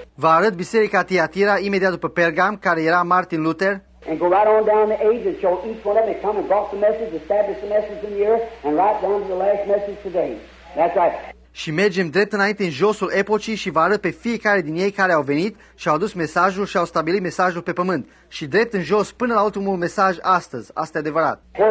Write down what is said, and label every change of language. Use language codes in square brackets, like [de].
[ro] Vă arăt Biserica Tiatira imediat după Pergam, care era Martin Luther. [en] And go right on down the ages and show each one of them come and brought the message, established the message in the earth, and right down to the last message today. That's right. [ro] Și mergem drept înainte în josul epocii și vă arăt pe fiecare din ei care au venit și au adus mesajul și au stabilit mesajul pe pământ. Și drept în jos până la ultimul mesaj astăzi. Asta e adevărat.